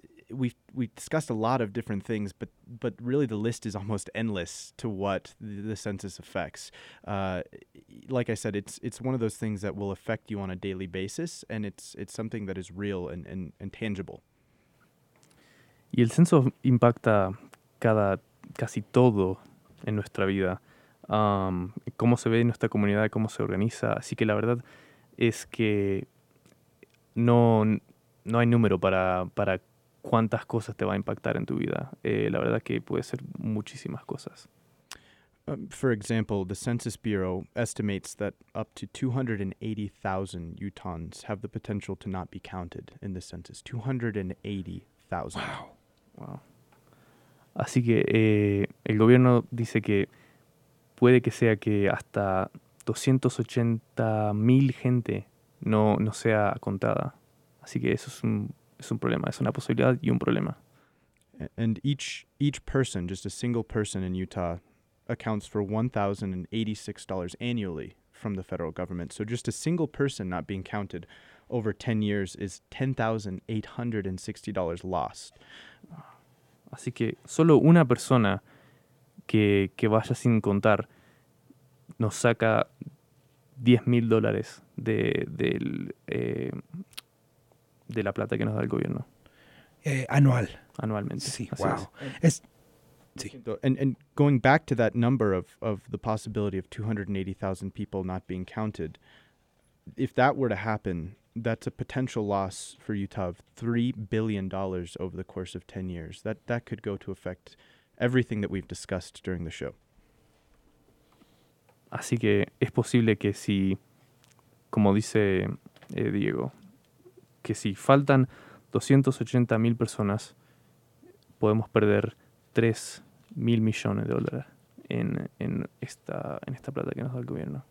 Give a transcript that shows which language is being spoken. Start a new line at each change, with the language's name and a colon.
English: We discussed a lot of different things, but really the list is almost endless to what the census affects. Like I said, it's one of those things that will affect you on a daily basis, and it's something that is real and tangible.
Spanish: Y el censo impacta casi todo en nuestra vida, cómo se ve en nuestra comunidad, cómo se organiza. Así que la verdad es que no hay número para cuántas cosas te va a impactar en tu vida. La verdad que puede ser muchísimas cosas.
English: For example, the Census Bureau estimates that up to 280,000 Utahns have the potential to not be counted in the census. 280,000. Wow.
Spanish: Así que el gobierno dice que puede que sea que hasta 280,000 gente no sea contada. Así que eso es un problema, es una posibilidad y un problema.
English: And each person, just a single person in Utah, accounts for $1,086 annually from the federal government. So just a single person not being counted over 10 years is $10,860 lost.
Spanish: Así que solo una persona que vaya sin contar nos saca $10,000 de la plata que nos da el gobierno. Anualmente. Sí,
English: wow. And going back to that number of the possibility of 280,000 people not being counted, if that were to happen, that's a potential loss for Utah of $3 billion over the course of 10 years. That could go to affect everything that we've discussed during the show.
Spanish: Así que es posible que si, como dice Diego, que si faltan 280,000 personas, podemos perder $3 billion en esta plata que nos da el gobierno.